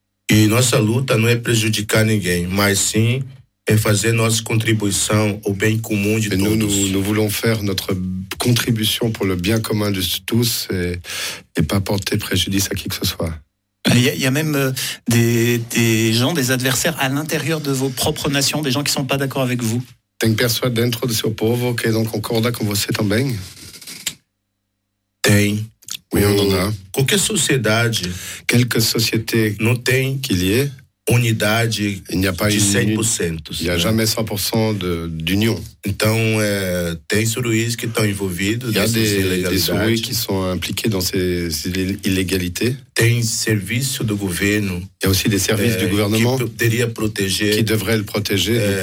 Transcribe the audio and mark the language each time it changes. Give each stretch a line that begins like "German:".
Portuguese: E nossa luta não é prejudicar ninguém, mas sim é fazer nossa contribuição ao bem comum de todos.
French: Nous voulons faire notre contribution pour le bien commun de tous et pas porter préjudice à qui que ce soit. Il y a même des gens, des adversaires à l'intérieur de vos propres nations, des gens qui ne sont pas d'accord avec vous.
Portuguese: Tem pessoas dentro do seu povo que não concorda com você também? Tem.
French: Oui, on en a.
Portuguese: Qualquer sociedade.
French: Quelque société.
Portuguese: Não tem.
French: Qu'il y ait.
Portuguese: Unidade.
French: Il n'y a pas de 100%. Il n'y a jamais 100% d'union.
Portuguese: Então, tem suruís que estão envolvidos.
French: Il y a des suruís qui sont impliqués dans ces illégalités.
Portuguese: Tem serviço do governo.
French: Il y a aussi des services du gouvernement.
Portuguese: Que poderia proteger.
French: Qui devrait le protéger.